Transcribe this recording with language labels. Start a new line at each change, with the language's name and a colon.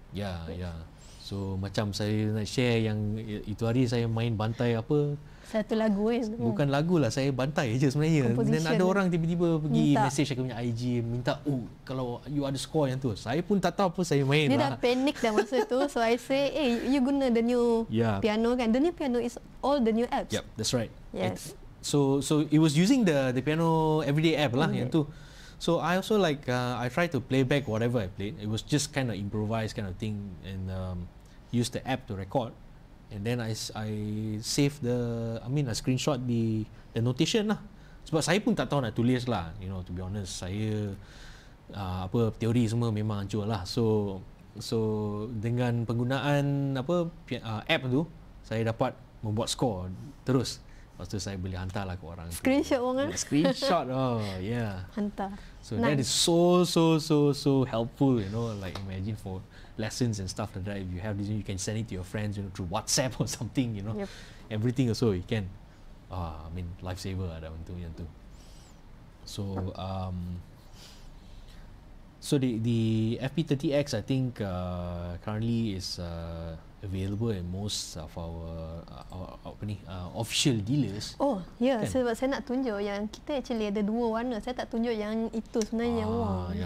Malay: Yeah. So macam saya nak share yang itu hari saya main bantai apa? Satu lagu kan. Bukan lagu lah, saya bantai aje sebenarnya. Dan ada orang tiba-tiba pergi message saya punya IG minta, "Oh, kalau you ada score yang tu." Saya pun tak tahu apa saya main. Dia dah panik dah masa tu.
English: So I say, "Eh, hey, you guna the new piano kan? The new piano is all the new apps." Yep, that's right. Yes. So it was using the piano everyday app lah
Malay: yang tu.
English: So I also I try to play back whatever I played. It was just kind of improvised kind of thing and use the app to record. And then I save I screenshot the notation lah.
Malay: Sebab saya pun tak tahu nak tulis lah.
English: You know, to be honest,
Malay: saya teori semua memang hancur lah. So dengan penggunaan app tu, saya dapat membuat score terus. Lepas tu saya boleh hantar lah ke orang. Screenshot orang. Screenshot. Hantar.
English: So nice. That is so helpful, you know, like imagine for lessons and stuff like that. If you have this, you can send it to your friends, you know, through WhatsApp or something, you know. Yep. Everything also you can.
Malay: Lifesaver ada untuk yang tu.
English: So so the FP-30X I think currently is available in most of our official dealers. Oh, yeah. Kan?
Malay: Sebab saya nak tunjuk yang kita actually ada dua warna. Saya tak tunjuk yang itu sebenarnya.